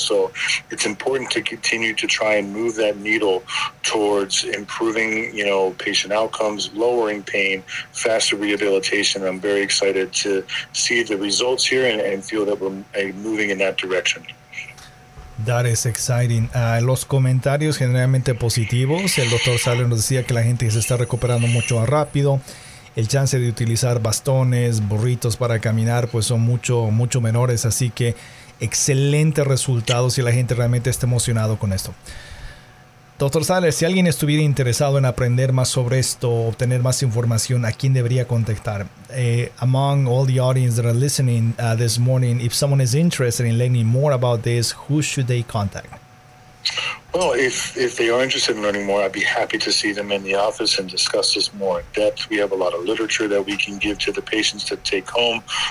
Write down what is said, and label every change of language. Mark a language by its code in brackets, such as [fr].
[en] So it's important to continue to try and move that needle towards improving, patient outcomes, lowering pain, faster rehabilitation. I'm very excited to see the results here and feel that we're moving in that direction. That is exciting. [es] Los comentarios generalmente positivos. El doctor Sadler nos decía que la gente se está recuperando mucho más rápido. El chance de utilizar bastones, burritos para caminar, pues son mucho, mucho menores. Así que excelentes resultados y la gente realmente está emocionado con esto. Doctor Sadler, si alguien estuviera interesado en aprender más sobre esto, obtener más información, ¿a quién debería contactar? [en] Among all the audience that are listening this morning, if someone is interested in learning more about this, who should they contact? Well, if they are interested in learning more, I'd be happy to see them in the office and discuss this more in depth. We have a lot of literature that we can give to the patients to take home.